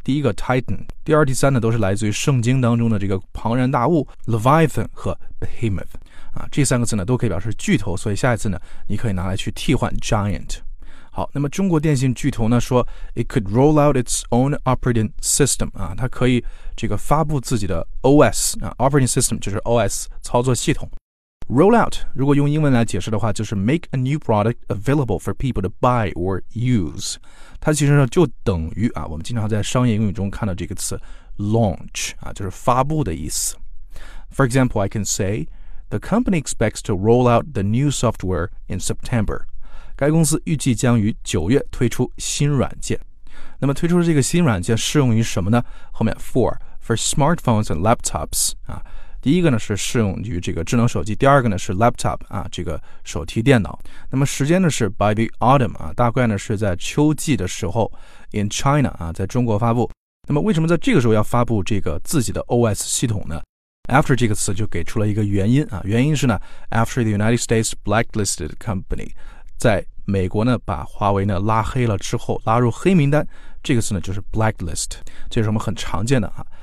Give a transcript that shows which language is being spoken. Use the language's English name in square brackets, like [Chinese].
[Chinese] 第一个 Titan, 第二、第三呢都是来自于圣经当中的这个庞然大物 Leviathan 和 Behemoth, 啊，这三个字呢都可以表示巨头，所以下一次呢你可以拿来去替换 Giant。好，那么中国电信巨头呢说 [English] It could roll out its own operating system, [Chinese] 啊，它可以这个发布自己的 OS, 啊 ,operating system 就是 OS 操作系统。 [English] Roll out, [Chinese] 如果用英文来解释的话，就是 [English] make a new product available for people to buy or use. [Chinese] 它其实呢就等于啊，我们经常在商业英语中看到这个词 launch, 啊，就是发布的意思。 [English] For example, I can say, the company expects to roll out the new software in September. [Chinese] 该公司预计将于九月推出新软件。那么推出的这个新软件适用于什么呢？后面 [English] for smartphones and laptops, 啊。 [Chinese] 第一个呢是适用于这个智能手机，第二个呢是 laptop 啊，这个手提电脑。那么时间呢是 [English] by the autumn [Chinese] 啊，大概呢是在秋季的时候 [English] in China [Chinese] 啊，在中国发布。那么为什么在这个时候要发布这个自己的 OS 系统呢？ After 这个词就给出了一个原因啊，原因是呢 [English] After the United States blacklisted company [Chinese] 在美国呢把华为呢拉黑了之后，拉入黑名单，这个词呢就是 blacklist， 这是我们很常见的啊。